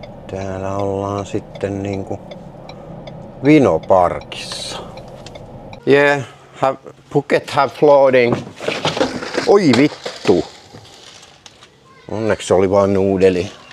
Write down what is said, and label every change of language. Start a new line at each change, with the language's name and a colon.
Finnish: Täällä ollaan sitten niinku Vinoparkissa.
English: Yeah, Phuket have floating.
Finnish: Oi vittu. Onneksi oli vain nuudeli.